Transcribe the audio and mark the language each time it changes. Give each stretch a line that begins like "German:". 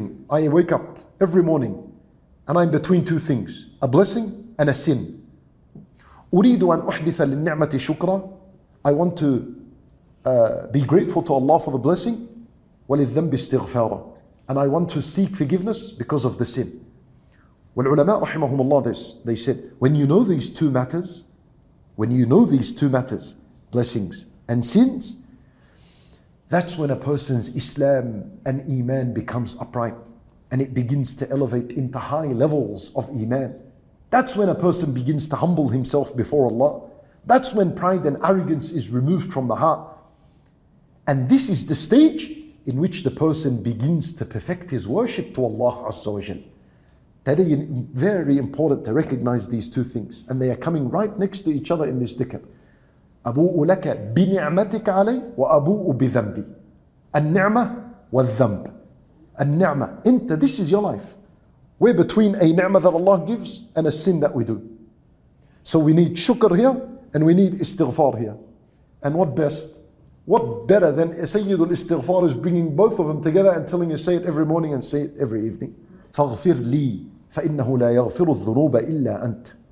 English: I wake up every morning and I'm between two things, a blessing and a sin.
Arabic: أُرِيدُ أَنْ أُحْدِثَ لِلنِّعْمَةِ شُكْرًا.
English: I want to be grateful to Allah for the blessing.
Arabic: وَلِلذَّنْبِ اسْتِغْفَارًا.
English: And I want to seek forgiveness because of the sin.
Arabic: والعلماء رحمهم الله,
English: they said, when you know these two matters, blessings and sins, that's when a person's Islam and Iman becomes upright and it begins to elevate into high levels of Iman. That's when a person begins to humble himself before Allah. That's when pride and arrogance is removed from the heart. And this is the stage in which the person begins to perfect his worship to Allah Azza wa Jal. That is very important to recognize these two things. And they are coming right next to each other in this dhikr.
Arabic: أبوء لك بنعمتك علي وأبوء بذنبي. النعمة والذنب. النعمة, أنت,
English: this is your life. We're between a ni'ma that Allah gives and a sin that we do. So we need shukr here and we need istighfar here. And what best? What better than سيد الاستغفار is bringing both of them together and telling you say it every morning and say it every evening.
Arabic: فاغفر لي فإنه لا يغفر الذنوب إلا أنت.